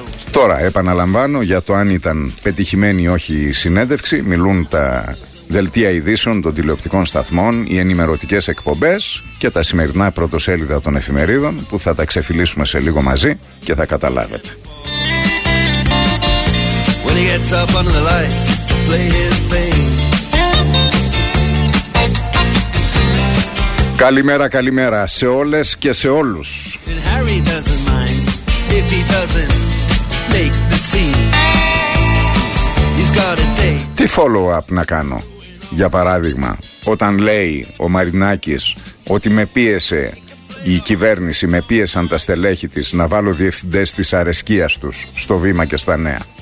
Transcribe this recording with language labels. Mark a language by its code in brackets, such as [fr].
[el] Τώρα επαναλαμβάνω, για το αν ήταν πετυχημένη ή όχι η συνέντευξη μιλούν τα δελτία ειδήσεων των τηλεοπτικών σταθμών, οι ενημερωτικές εκπομπές και τα σημερινά πρωτοσέλιδα των εφημερίδων, που θα τα ξεφυλίσουμε σε λίγο μαζί και θα καταλάβετε. [en] When he gets up under the lights to play his thing. [el] Καλημέρα, καλημέρα σε όλες και σε όλους. [en] And Harry doesn't mind if he doesn't make the scene. He's got a date. [el] Τι follow-up να κάνω, για παράδειγμα, όταν λέει ο Μαρινάκης ότι με πίεσε η κυβέρνηση, με πίεσαν τα στελέχη της να βάλω διευθυντές της αρεσκίας τους στο Βήμα και στα Νέα.